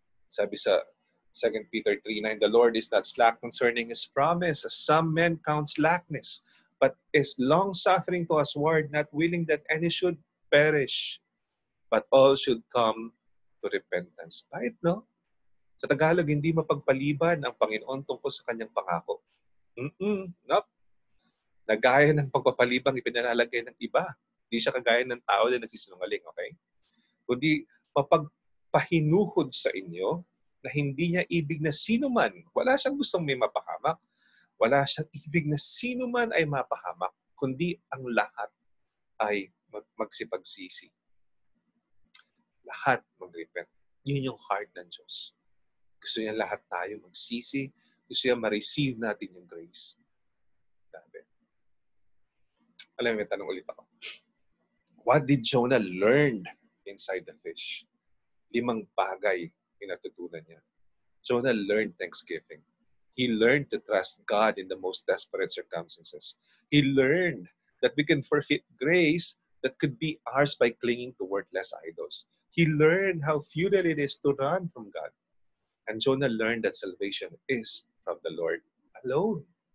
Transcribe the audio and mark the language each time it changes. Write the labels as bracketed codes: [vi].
[tl] Sabi sa [en] 2 Peter 3:9, the Lord is not slack concerning His promise, as some men count slackness, but is long-suffering to us ward, not willing that any should perish, but all should come to repentance. [tl] Bait, no? Sa Tagalog, hindi mapagpaliban ang Panginoon tungkol sa kanyang pangako. Nope. Nagaya ng pagpapalibang ipinalalagay ng iba. Hindi siya kagaya ng tao na nagsisinungaling, okay? Kundi mapagpahinuhod sa inyo na hindi niya ibig na sino man, wala siyang gustong may mapahamak, wala siyang ibig na sino man ay mapahamak, kundi ang lahat ay magsipagsisi. Lahat mag-repent. Yun yung heart ng Diyos. Gusto niya lahat tayo magsisi. Gusto niya ma-receive natin yung grace. Sabi. Alam mo, may tanong ulit ako. [en] What did Jonah learn inside the fish? [tl] 5 bagay pinatutunan niya. [en] Jonah learned thanksgiving. He learned to trust God in the most desperate circumstances. He learned that we can forfeit grace that could be ours by clinging to worthless idols. He learned how futile it is to run from God. And Jonah learned that salvation is from the Lord alone.